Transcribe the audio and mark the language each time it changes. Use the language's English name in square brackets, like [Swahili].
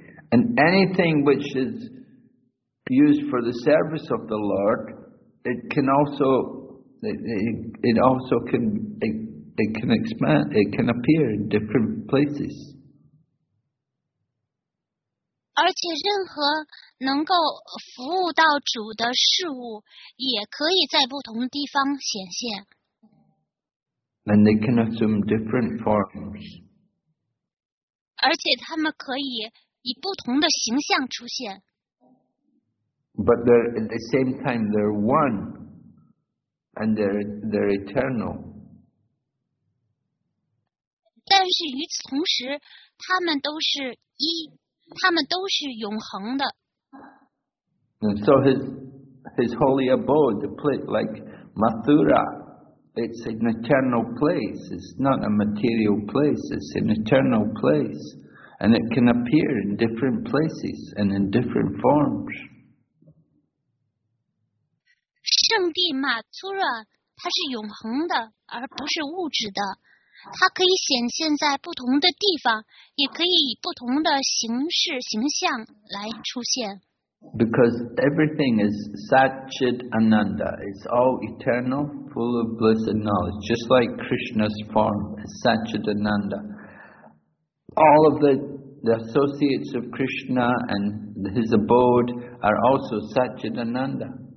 [English] And anything which is used for the service of the Lord, it can appear in different places. [Chinese] 而且任何能够服务到主的事物也可以在不同地方显现。 [English] And they can assume different forms. [Chinese] 而且他们可以以不同的形象出现。 [English] But they're at the same time they're one and they're eternal. [Chinese] 但是与此同时他们都是一，他们都是永恒的。 [English] And so his holy abode, the place like Mathura, it's an eternal place. It's not a material place, it's an eternal place. And it can appear in different places and in different forms. [Chinese] 圣地马图拉，它是永恒的，而不是物质的。它可以显现在不同的地方，也可以以不同的形式、形象来出现。 [English] Because everything is Satchit Ananda, it's all eternal, full of bliss and knowledge, just like Krishna's form, Satchit Ananda. All of the associates of Krishna and his abode are also Satchidananda.